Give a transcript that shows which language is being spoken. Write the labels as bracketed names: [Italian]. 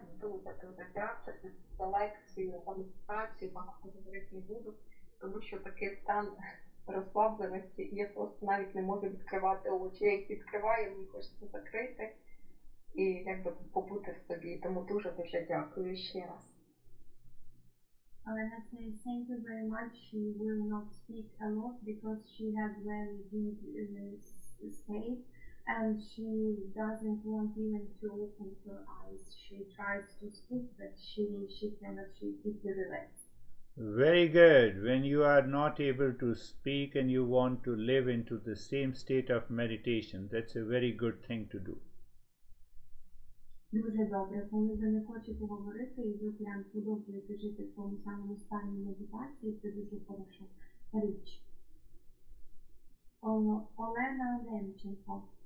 [Ukrainian] Дуже дякую за лекцію, медитацію, багато говорити не буду, тому що такий стан розслабленості, я просто навіть не можу відкривати очі, я їх відкриваю, мені хочеться закрити. І якби побути в собі, тому дуже дякую ще раз. [English] Olena says thank you very much. She will not speak a lot because she has very deep state and she doesn't want even to open her eyes. She tries to speak, but she cannot, she keeps it relaxed. Very good. When you are not able to speak and you want to live into the same state of meditation, that's a very good thing to do. [Ukrainian] Дуже добре, коли ви не хочете говорити, і ви прям продовжуєте жити в тому самому стані медитації, це дуже хороша річ. Олена Ленченко.